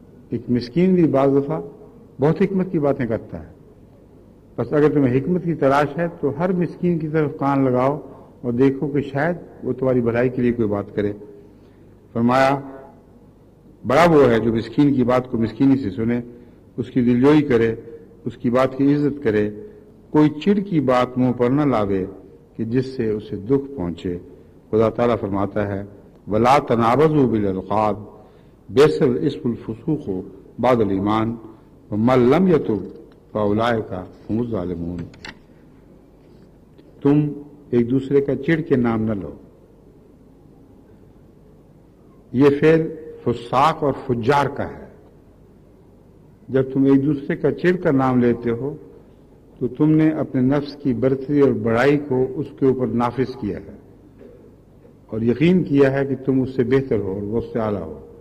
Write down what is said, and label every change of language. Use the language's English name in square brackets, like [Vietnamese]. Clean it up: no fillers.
[Urdu] ایک مسکین بھی بعض دفعہ بہت حکمت کی باتیں کرتا ہے, بس اگر تمہیں حکمت کی تلاش ہے تو ہر مسکین کی طرف کان لگاؤ اور دیکھو کہ شاید وہ تمہاری بھلائی کے لیے کوئی بات کرے. فرمایا, بڑا وہ ہے جو مسکین کی بات کو مسکینی سے سنے, اس کی دلجوئی کرے, اس کی بات کی عزت کرے, کوئی چڑ کی بات منہ پر نہ لاوے کہ جس سے اسے دکھ پہنچے. خدا تعالیٰ فرماتا ہے, [Arabic] ولا تنابزوا بالالقاب بئس الاسم الفسوق بعد الایمان ومن لم يتب فاولئک هم الظالمون. [Urdu] تم ایک دوسرے کا چڑ کے نام نہ لو. یہ فعل فساق اور فجار کا ہے. جب تم ایک دوسرے کا چڑ کا نام لیتے ہو تو تم نے اپنے نفس کی برتری اور بڑائی کو اس کے اوپر نافذ کیا ہے اور یقین کیا ہے کہ تم اس سے بہتر ہو اور وہ اس سے اعلیٰ ہو.